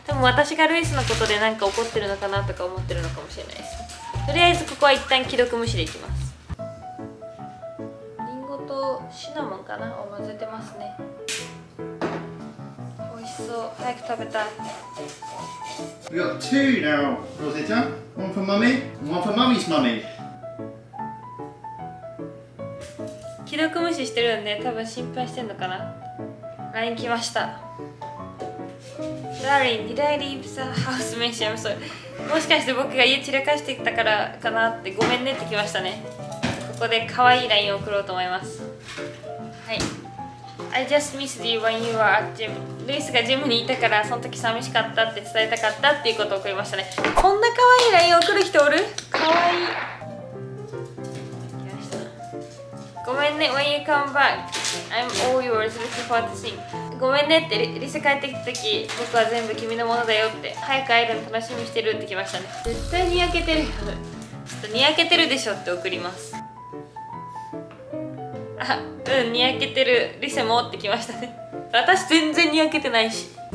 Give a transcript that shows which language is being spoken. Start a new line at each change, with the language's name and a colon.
Japanese: 多分私がルイスのことで何か怒ってるのかなとか思ってるのかもしれないです。とりあえずここは一旦既読無視でいきます。リンゴとシナモンかなを混ぜてますね。美味しそう、早く食べたい。
English: We got two now, Rosita. One for mommy and one for mommy's mommy.
Japanese: 既読無視してるんで、多分心配してんのかな。
English: LINE
Japanese: 来ました。
English: Darling, did I leave the house mention? I'm sorry.
Japanese: もしかして僕が家散らかしてたからかなって、ごめんねって来ましたね。ここで可愛い LINE 送ろうと思います。
English: はい、 I just missed you when you were at gym.
Japanese: ルイスがジムにいたから、その時寂しかったって伝えたかったっていうことを送りましたね。こんな可愛い LINE 送る人おる？可愛い。ごめんね、
English: When you come back, I'm all yours, looking forward to seeing.
Japanese: ごめんねって、リス帰ってきた時、僕は全部君のものだよって、早く会えるの楽しみしてるって来ましたね。絶対にやけてるよ。ちょっとにやけてるでしょって送ります。あ、うん、にやけてる。リスもって来ましたね。私全然にやけてないし。